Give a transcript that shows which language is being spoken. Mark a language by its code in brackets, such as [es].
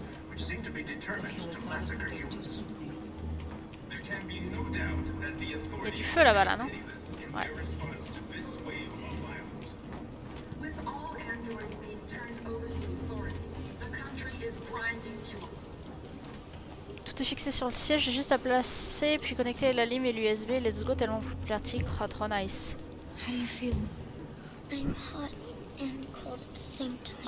[en] Which seem to be determined to massacre humans. There can be no doubt that the authorities are in their response to this wave of violence. With all androids being turned over to authorities, the country is grinding to a... [fr] Tout est fixé sur le siège, j'ai juste à placer puis connecter la lime et l'USB. [en] Let's go, [fr] tellement pratique, [en] hot, [fr] trop [en] nice. How do you feel? I'm hot and cold at the same time.